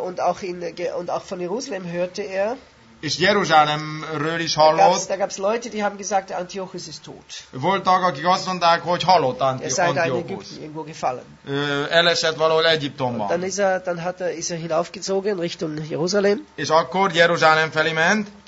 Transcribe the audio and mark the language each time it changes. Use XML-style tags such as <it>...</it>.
<de>und auch von Jerusalem hörte er.</de> <hu>És Jeruzsálemről is hallott.</hu> <de>Da gab's Leute, die haben gesagt, Antiochus ist tot.</de> <hu>Voltak, akik azt mondták, hogy halott Antiochus. Elesett valahol Egyiptomban.</hu> <de>Dann ist er, hinaufgezogen Richtung Jerusalem.</de> <hu>És akkor Jeruzsálem felé ment.</hu>